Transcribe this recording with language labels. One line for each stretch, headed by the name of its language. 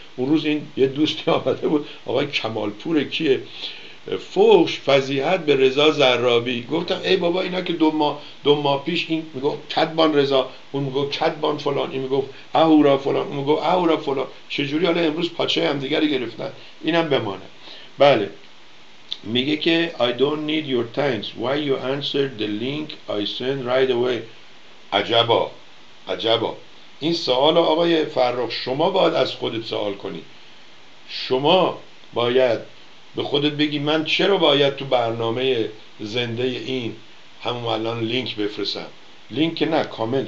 Persian: اون روز این یه دوستی آمده بود، آقای کمالپور کیه، فوش فضیحت به رضا زرابی. گفتم ای بابا اینا که دو ماه پیش، این میگفت کدبان رضا، اون میگفت کدبان فلان، این میگفت اهورا فلان، اون میگفت اهورا فلان، چجوری حالا امروز پاچه هم دیگری گرفتن. اینم بمانه. بله میگه که
English: I don't need your thanks, why you answered the link I sent right away.
Persian: عجبا عجبا، این سوال آقای فرخ شما باید از خودت سوال کنی، شما باید به خودت بگی من چرا باید تو برنامه زنده این همون الان لینک بفرستم. لینک نه، کامنت.